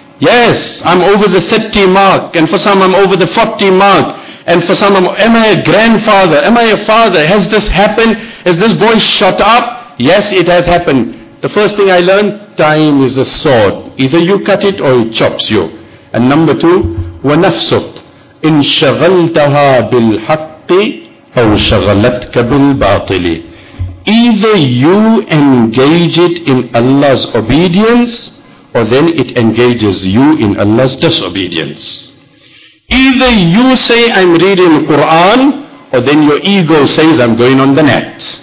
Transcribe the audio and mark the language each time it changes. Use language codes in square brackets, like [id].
[en] Yes, I'm over the 30 mark. And for some, I'm over the 40 mark. And for some, am I a grandfather? Am I a father? Has this happened? Has this boy shot up? Yes, it has happened. The first thing I learned, time is a sword. Either you cut it or it chops you. [ar] And number two, وَنَفْسُكْ إِنْ شَغَلْتَهَا بِالْحَقِّ أَوْ شَغَلَتْكَ بِالْبَاطِلِ. [en] Either you engage it in Allah's obedience, or then it engages you in Allah's disobedience. Either you say, I'm reading Quran, or then your ego says, I'm going on the net.